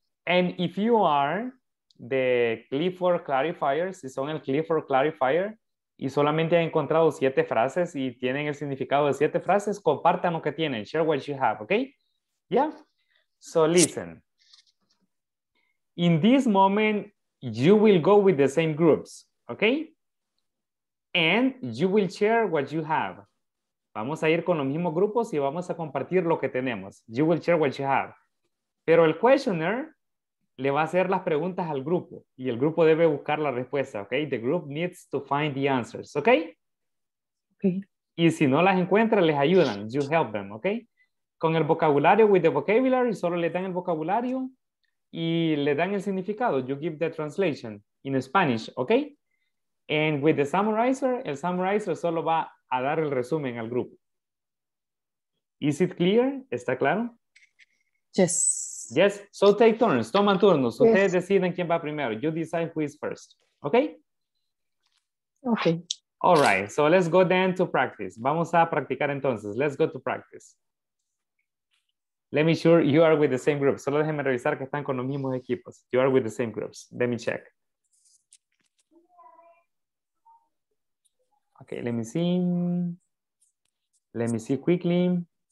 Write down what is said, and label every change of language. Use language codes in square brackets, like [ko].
[en] And if you are the Clifford clarifier, [es] si son el Clifford clarifier y solamente han encontrado 7 frases y tienen el significado de 7 frases, compartan lo que tienen, [en] share what you have, okay? Yeah? So listen. In this moment, you will go with the same groups, okay? And you will share what you have. [es] Vamos a ir con los mismos grupos y vamos a compartir lo que tenemos. [en] You will share what you have. [es] Pero el questioner le va a hacer las preguntas al grupo y el grupo debe buscar la respuesta, okay? [en] The group needs to find the answers, okay? Okay. [es] Y si no las encuentra, les ayudan. [en] You help them, okay? [es] Con el vocabulario, [en] with the vocabulary, [es] solo le dan el vocabulario y le dan el significado. [en] You give the translation in Spanish, okay? And with the summarizer, [es] el summarizer solo va a dar el resumen al grupo. [en] Is it clear? [es] ¿Está claro? [en] Yes. Yes, so take turns, [es] toman turnos. Yes. Ustedes deciden quién va primero. [en] You decide who is first, okay? Okay. All right, so let's go then to practice. [es] Vamos a practicar entonces. [en] Let's go to practice. Let me sure you are with the same group. [es] Solo déjenme revisar que están con los mismos equipos. [en] You are with the same groups. Let me check. Okay, let me see. Let me see quickly.